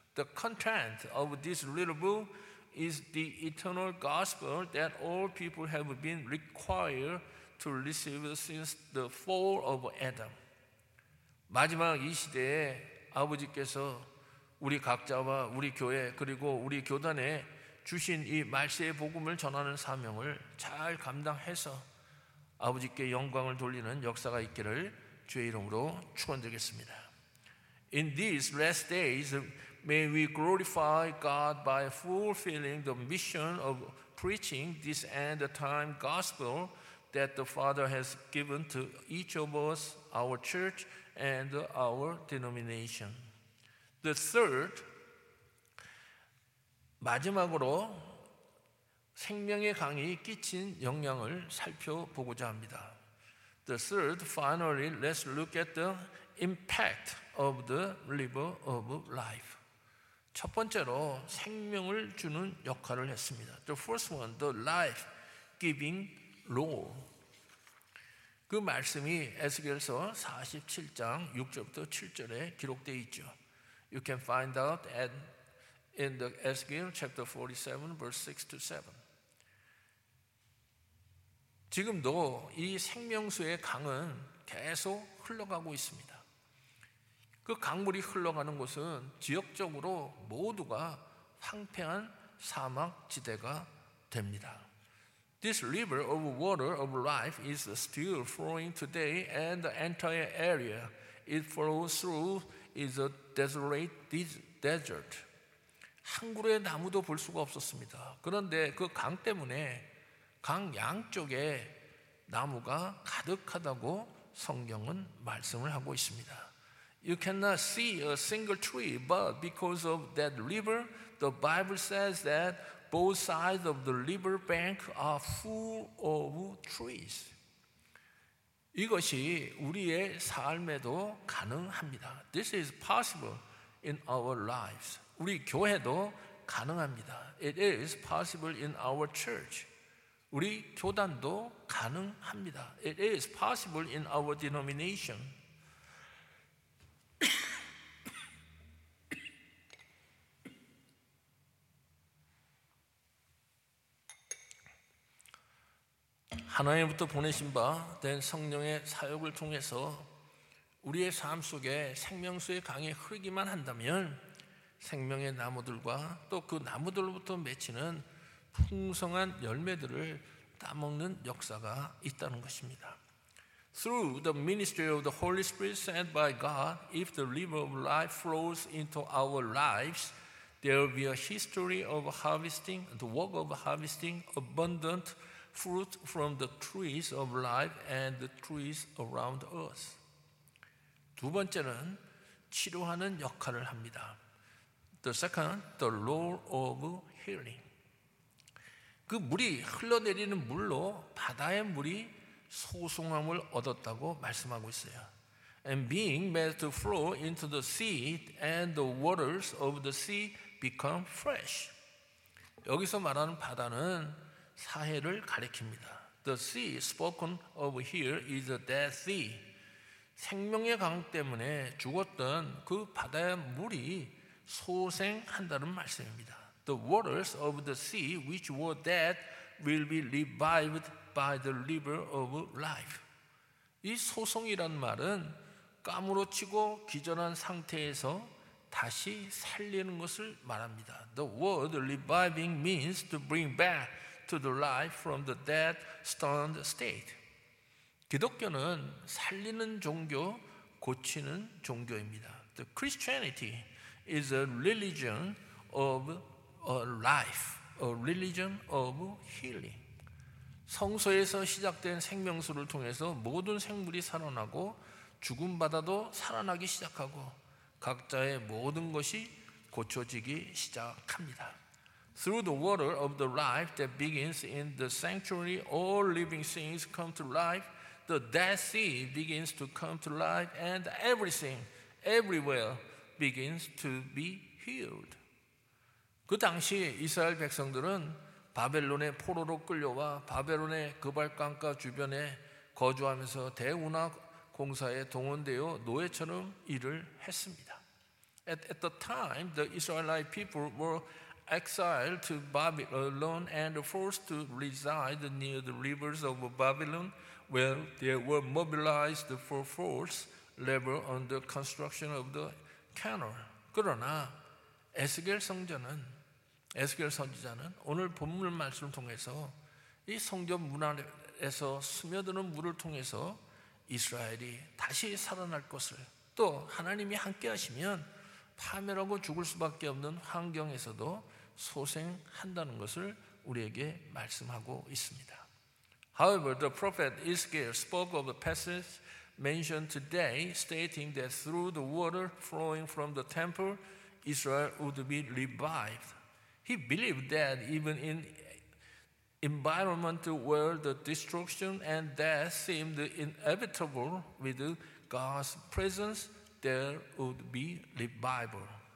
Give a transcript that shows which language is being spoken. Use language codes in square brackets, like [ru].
[en] The content of this little book is the eternal gospel that all people have been required to receive since the fall of Adam. [ko] 마지막 이 시대에 아버지께서 우리 각자와 우리 교회 그리고 우리 교단에 주신 이 말씀의 복음을 전하는 사명을 잘 감당해서 아버지께 영광을 돌리는 역사가 있기를 주의 이름으로 축원드리겠습니다. [en] In these last days, may we glorify God by fulfilling the mission of preaching this end time gospel that the Father has given to each of us, our church, and our denomination. The third, [ko] 마지막으로 생명의 강이 끼친 영향을 살펴보고자 합니다. [en] The third, finally, let's look at the impact of the river of life. [ko] 첫 번째로 생명을 주는 역할을 했습니다. [en] The first one, the life-giving role. [ko] 그 말씀이 에스겔서 47장 6절부터 7절에 기록되어 있죠. [en] You can find out at in the Ezekiel chapter 47, verse 6 to 7. [ko] 지금도 이 생명수의 강은 계속 흘러가고 있습니다. 그 강물이 흘러가는 곳은 지역적으로 모두가 황폐한 사막 지대가 됩니다. [en] This river of water of life is still flowing today, and the entire area it flows through is a desolate desert. [ko] 한 그루의 나무도 볼 수가 없었습니다. 그런데 그 강 때문에 강 양쪽에 나무가 가득하다고 성경은 말씀을 하고 있습니다. [en] You cannot see a single tree, but because of that river, the Bible says that both sides of the river bank are full of trees. [ko] 이것이 우리의 삶에도 가능합니다. [en] This is possible in our lives. [ko] 우리 교회도 가능합니다. [en] It is possible in our church. [ko] 우리 교단도 가능합니다. [en] It is possible in our denomination. [ko] 하나님부터 보내신 바 된 성령의 사역을 통해서 우리의 삶 속에 생명수의 강이 흐르기만 한다면 생명의 나무들과 또 그 나무들로부터 맺히는 풍성한 열매들을 따먹는 역사가 있다는 것입니다. [en] Through the ministry of the Holy Spirit sent by God, if the river of life flows into our lives, there will be a history of harvesting, the work of harvesting, abundant fruit from the trees of life and the trees around us. [ko] 두 번째는 치료하는 역할을 합니다. [en] The second, the role of healing. [ko] 그 물이 흘러내리는 물로 바다의 물이 소송함을 얻었다고 말씀하고 있어요. [en] And being made to flow into the sea and the waters of the sea become fresh. [ko] 여기서 말하는 바다는 사해를 가리킵니다. [en] The sea spoken of here is a dead sea. [ko] 생명의 강 때문에 죽었던 그 바다의 물이 소생한다는 말씀입니다. [en] The waters of the sea which were dead will be revived by the river of life. [ko] 이 소송이란 말은 까무러치고 기절한 상태에서 다시 살리는 것을 말합니다. [en] The word reviving means to bring back to the life from the dead stunned state. [ko] 기독교는 살리는 종교, 고치는 종교입니다. [en] The Christianity is a religion of a life, a religion of healing. [ko] 성소에서 시작된 생명수를 통해서 모든 생물이 살아나고 죽은 바다도 살아나기 시작하고 각자의 모든 것이 고쳐지기 시작합니다. [en] Through the water of the life that begins in the sanctuary, all living things come to life. The dead sea begins to come to life, and everything, everywhere, begins to be healed. [ko] 그 당시 이스라엘 백성들은 바벨론의 포로로 끌려와 바벨론의 그발강가 주변에 거주하면서 대운하 공사에 동원되어 노예처럼 일을 했습니다. [en] At the time, the Israelite people were exiled to Babylon and forced to reside near the rivers of Babylon where they were mobilized for forced labor under construction of the canal. [ko] 그러나 에스겔 성전은 에스겔 선지자는 오늘 본문 말씀을 통해서 이 성전 문 안에서 스며드는 물을 통해서 이스라엘이 다시 살아날 것을 또 하나님이 함께 하시면 파멸하고 죽을 수밖에 없는 환경에서도 소생한다는 것을 우리에게 말씀하고 있습니다. [en] However, the prophet Ezekiel spoke of a passage mentioned today, stating that through the water flowing from the temple, Israel would be revived. He believed that even in environment where the destruction and death seemed inevitable, with God's presence, there would be revival.